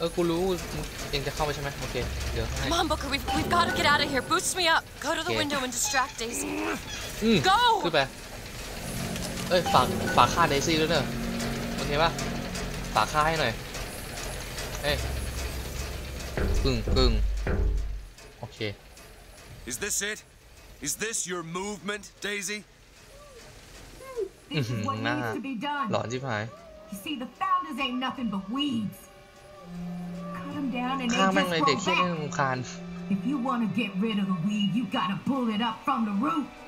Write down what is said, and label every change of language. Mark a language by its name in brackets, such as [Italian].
[Thai] กูรู้เองจะเข้าไปใช่ไหมโอเคเดี๋ยวให้ [English] Mom Booker we've got to get out of here boost me up go to the window and distract Daisy go [Thai] ขึ้นไปเอ้ยฝากฆ่าเดซี่ด้วยเนอะโอเคป่ะฝากฆ่าให้หน่อยเฮ้ยกึ่งโอเค [English] Is this it? Is this your movement, Daisy? This is what needs to be done. You see, the founders ain't nothing but weeds. Cut them down and they just grow back. If you want to get rid of the weed, you gotta pull it up from the root.